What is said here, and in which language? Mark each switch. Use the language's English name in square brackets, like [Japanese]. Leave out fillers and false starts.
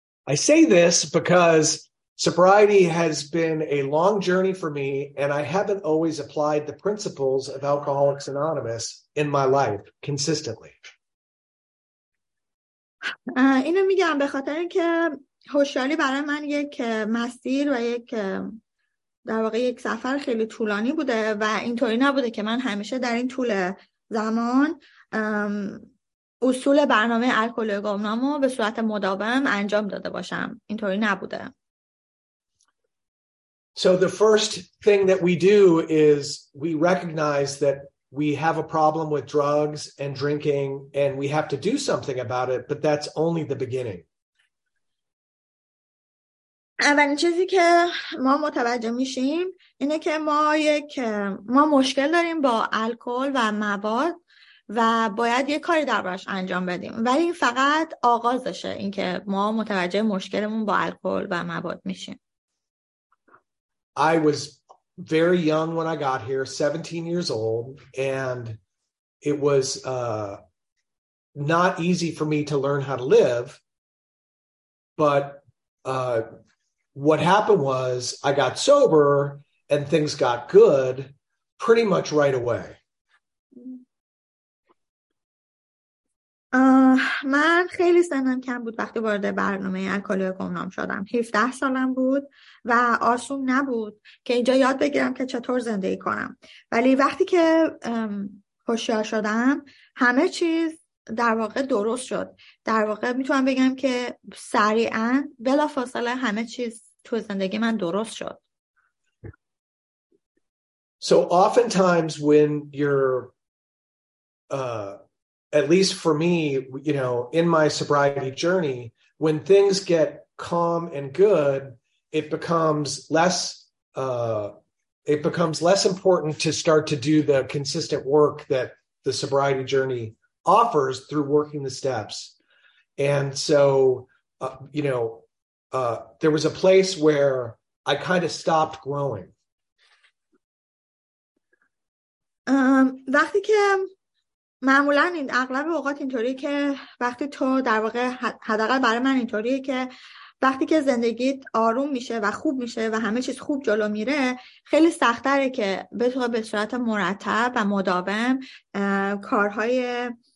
[English] I say this because sobriety has been a long journey for me and I haven't always applied the principles of Alcoholics Anonymous in my life consistently. [Persian] اینو میگم به خاطر اینکه هوشیاری برای من یک مسیر و یک در واقع یک سفر خیلی طولانی بوده و اینطوری نبوده که من همیشه در این طول زمان اصول برنامه الکولیگامنامو به صورت مداوم انجام داده باشم. اینطوری نبوده. [English] So the first thing that we do is we recognize that we have a problem with drugs and drinking and we have to do something about it, but that's only the beginning. [Persian] اولین چیزی که ما متوجه میشیم اینه که ما مشکل داریم با الکل و مواد و باید یه کاری دربارش انجام بدیم، ولی این فقط آغازشه، این که ما متوجه مشکلمون با الکل و مواد میشیم. [English] I was very young when I got here, 17 years old, and it was not easy for me to learn how to live, but what happened was I got sober and things got good pretty much right away. [Persian] من خیلی سنم کم بود وقتی وارد برنامه الکولیگامنام شدم. 17 سالم بود و آسون نبود که اینجا یاد بگیرم که چطور زندگی کنم. ولی وقتی که هوشیار شدم همه چیز در واقع درست شد. در واقع میتونم بگم که سریعاً بلافاصله همه چیز تو زندگی من درست شد. [English] So oftentimes when you're at least for me, you know, in my sobriety journey, when things get calm and good, it becomes less important to start to do the consistent work that the sobriety journey offers through working the steps. And so, you know, there was a place where I kind of stopped growing. [Persian] وقتی که معمولا این اغلب اوقات اینطوری که وقتی تو در واقع حداقل برای من اینطوریه که وقتی که زندگیت آروم میشه و خوب میشه و همه چیز خوب جلو میره، خیلی سخت‌تره که بتوانی به صورت مرتب و مداوم کارهای